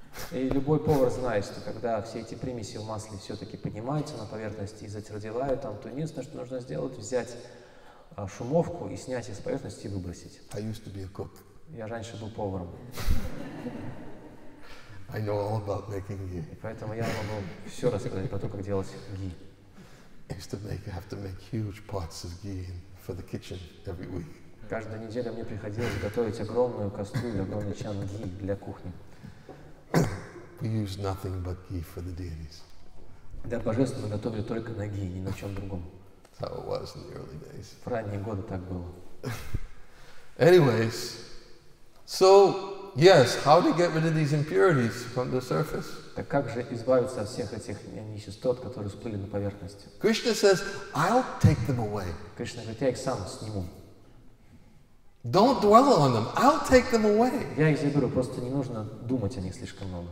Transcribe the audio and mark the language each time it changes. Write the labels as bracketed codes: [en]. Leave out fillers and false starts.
[ru] И любой повар знает, что когда все эти примеси в масле все-таки поднимаются на поверхность и затвердевают там, то единственное, что нужно сделать, взять шумовку и снять ее с поверхности и выбросить. [en] I used to be a cook. [ru] Я раньше был поваром. [en] I know all about making ghee. [ru] И поэтому я могу все рассказать про то, как делать ги. [en] I used to make, have to make huge pots of ghee for the kitchen every week. [ru] Каждую неделю мне приходилось готовить огромную кастрюлю, огромный чан ги для кухни. [en] We use nothing but ghee for the deities. [ru] Для божеств мы готовили только на ги, ни на чем другом. [en] How it was in the early days. [ru] В ранние годы так было. [en] Anyways, so yes, how to get rid of these impurities from the surface? [ru] Так как же избавиться от всех этих нечистот, которые всплыли на поверхности? [en] Krishna says, I'll take them away. [ru] Кришна говорит, я их сам сниму. [en] Don't dwell on them. I'll take them away. [ru] Я их заберу, просто не нужно думать о них слишком много.